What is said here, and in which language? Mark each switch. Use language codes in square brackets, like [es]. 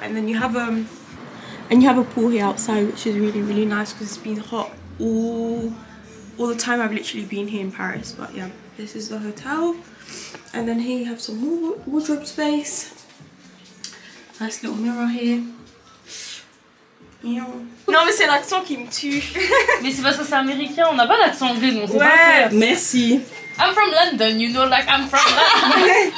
[en] And then you have a pool here outside, which is really, really nice because it's been hot all the time I've literally been here in Paris. But yeah, this is the hotel. And then here you have some more wardrobe space. Nice little mirror here. [fr] Non mais c'est l'accent qui me tue. Mais c'est parce que c'est américain, on n'a pas d'accent anglais, donc c'est ouais, pas vrai. Merci. [en] I'm from London, you know, like I'm from London.